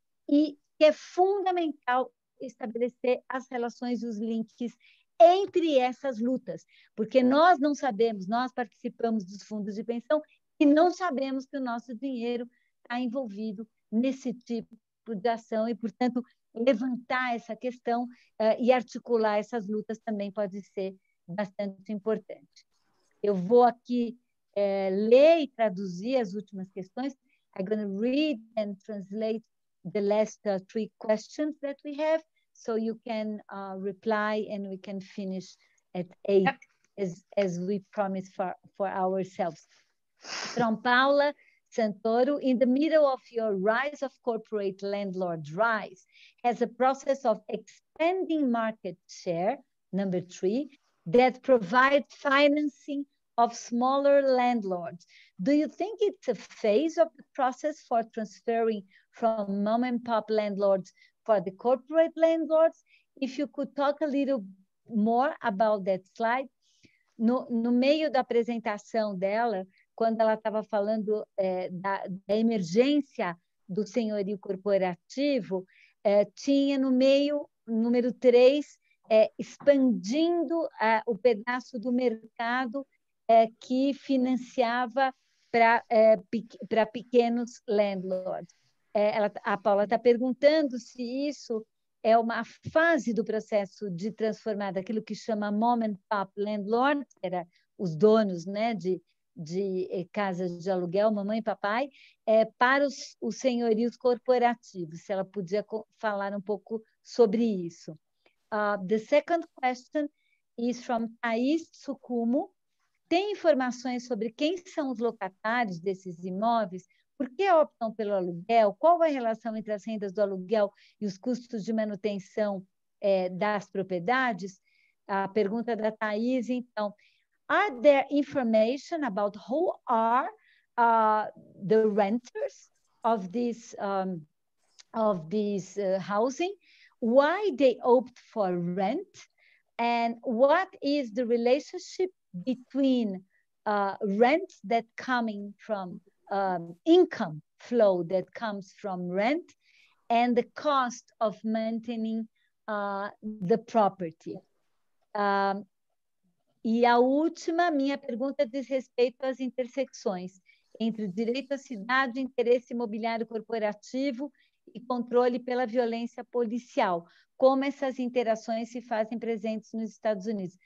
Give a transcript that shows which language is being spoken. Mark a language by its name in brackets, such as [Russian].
[Portuguese] E que é fundamental estabelecer as relações e os links entre essas lutas, porque nós não sabemos, nós participamos dos fundos de pensão e não sabemos que o nosso dinheiro está envolvido nesse tipo de ação, e, portanto, levantar essa questão e articular essas lutas também pode ser bastante importante. Eu vou aqui ler e traduzir as últimas questões. [English] I'm going to read and translate the last 3 questions that we have, so you can reply and we can finish at 8, yep, as we promised for ourselves. From Paula Santoro, in the middle of your rise of corporate landlord rise, has a process of expanding market share, number 3, that provides financing of smaller landlords. Do you think it's a phase of the process for transferring from mom and pop landlords for the corporate landlords? If you could talk a little more about that slide. [Portuguese] No meio da apresentação dela, quando ela estava falando da emergência do senhorio corporativo, tinha no meio, número 3, expandindo o pedaço do mercado que financiava para pequenos landlords. A Paula está perguntando se isso é uma fase do processo de transformar daquilo que chama [English] mom and pop landlord, [Portuguese] que era os donos, né, de casas de aluguel, mamãe e papai, para os senhorios corporativos, se ela podia falar um pouco sobre isso. [English] The second question is from Thaís Tsukumo. [Portuguese] Tem informações sobre quem são os locatários desses imóveis? Por que optam pelo aluguel? Qual a relação entre as rendas do aluguel e os custos de manutenção das propriedades? A pergunta da Thaís, então. [English] Are there information about who are the renters of this, housing? Why they opt for rent? And what is the relationship between rent that coming from income flow that comes from rent and the cost of maintaining the property? [Portuguese] E a última, minha pergunta diz respeito às intersecções entre direito à cidade, interesse imobiliário corporativo e controle pela violência policial. Como essas interações se fazem presentes nos Estados Unidos?